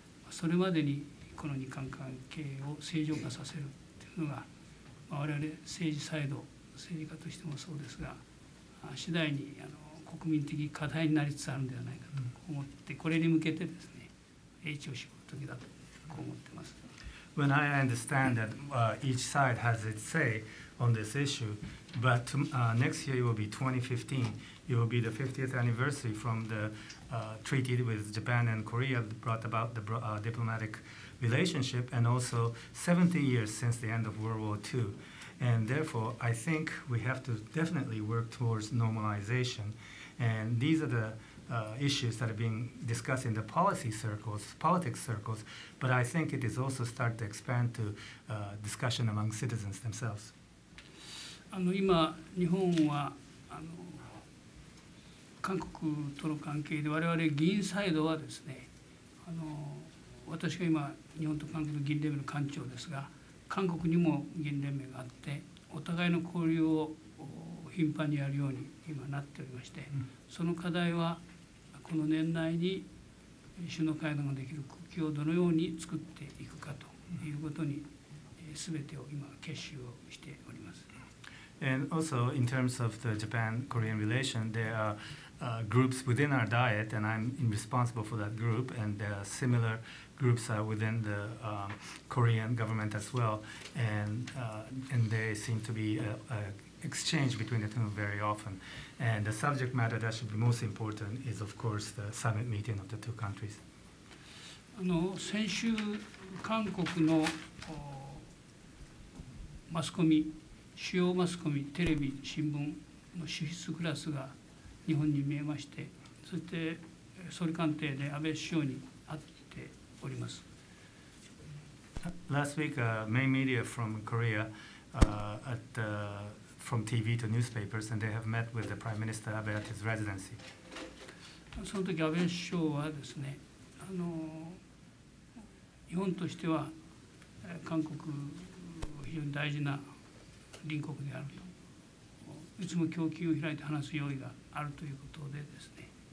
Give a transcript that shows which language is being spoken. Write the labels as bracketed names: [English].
[Japanese] それまでにこの日韓関係を正常化させるというのが、我々政治サイド、政治家としてもそうですが、次第に国民的課題になりつつあるのではないかと思って、これに向けてですね、英知を絞る時だと思っています。 [English] When I understand that each side has its say on this issue, but next year it will be 2015. It will be the 50th anniversary from the treaty with Japan and Korea that brought about the diplomatic relationship, and also 70 years since the end of World War II. And therefore, I think we have to definitely work towards normalization. And these are the issues that are being discussed in the policy circles, politics circles, but I think it is also start to expand to discussion among citizens themselves. [Japanese] 今、日本は韓国との関係で、我々議員サイドはですね、私が今、日本と韓国の議員連盟の幹事長ですが、韓国にも議員連盟があって、お互いの交流を頻繁にやるように今なっておりまして、その課題は、この年内に首脳会談ができる空気をどのように作っていくかということに、すべてを今、結集をしております。 [English] And also, in terms of the Japan-Korean relation, there areGroups within our diet, and I'm responsible for that group, and similar groups are within the Korean government as well, and they seem to be an exchange between the two very often. And the subject matter that should be most important is, of course, the summit meeting of the two countries. [Japanese] 先週、韓国のマスコミ、主要マスコミ、テレビ、新聞の主筆クラスが日本に見えまして、そして総理官邸で安倍首相に会っております。 [English] Last week, main media from Korea at from TV to newspapers, and they have met with the Prime Minister Abe at his residency. [Japanese] その時安倍首相はですね、日本としては韓国を非常に大事な隣国であると、いつも供給を開いて話す用意があるということでですね、